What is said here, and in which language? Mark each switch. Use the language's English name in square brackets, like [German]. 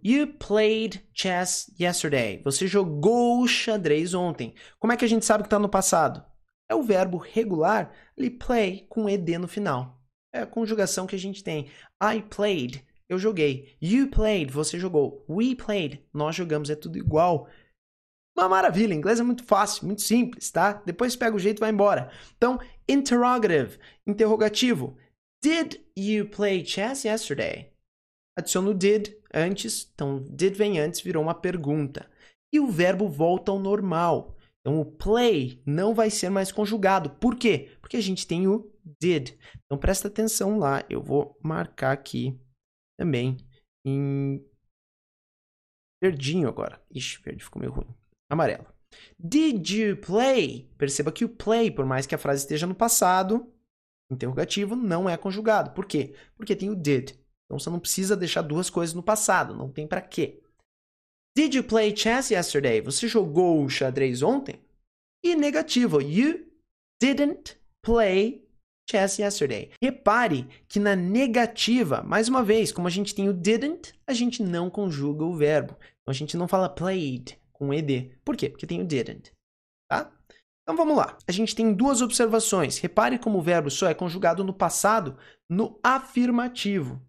[English] You played chess yesterday. [Portuguese] Você jogou xadrez ontem. Como é que a gente sabe que está no passado? É o verbo regular, ali play, com ed no final. É a conjugação que a gente tem. [English] I played, [Portuguese] eu joguei. [English] You played, [Portuguese] você jogou. [English] We played, [Portuguese] nós jogamos. É tudo igual. Uma maravilha. Inglês é muito fácil, muito simples, tá? Depois pega o jeito e vai embora. Então, interrogative, interrogativo. [English] Did you play chess yesterday? [Portuguese] Adiciono o did antes, então did vem antes, virou uma pergunta. E o verbo volta ao normal. Então o play não vai ser mais conjugado. Por quê? Porque a gente tem o did. Então presta atenção lá, eu vou marcar aqui também em verdinho agora. Ixi, verde ficou meio ruim. Amarelo. [English] Did you play? [Portuguese] Perceba que o play, por mais que a frase esteja no passado, interrogativo, não é conjugado. Por quê? Porque tem o did. Então você não precisa deixar duas coisas no passado, não tem para quê. [English] Did you play chess yesterday? [Portuguese] Você jogou o xadrez ontem? [English] E negativo, you didn't play chess yesterday. [Portuguese] Repare que na negativa, mais uma vez, como a gente tem o didn't, a gente não conjuga o verbo. Então a gente não fala played com ed. Por quê? Porque tem o didn't, tá? Então vamos lá. A gente tem duas observações. Repare como o verbo só é conjugado no passado, no afirmativo.